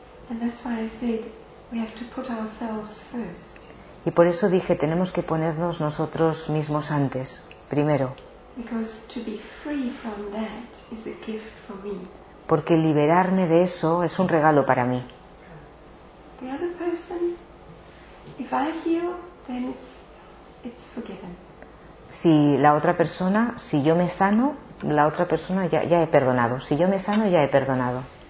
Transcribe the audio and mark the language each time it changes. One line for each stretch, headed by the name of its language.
English: And that's why I said we have to put ourselves first.
Spanish: Y por eso dije, tenemos que ponernos nosotros mismos antes, primero.
English: Because to be free from that is a gift for me.
Spanish: Porque liberarme de eso es un regalo para mí.
English: The other person, if I heal, then it's forgiven.
Spanish: Si la otra persona, si yo me sano, la otra persona ya he perdonado. Si yo me sano, ya he perdonado.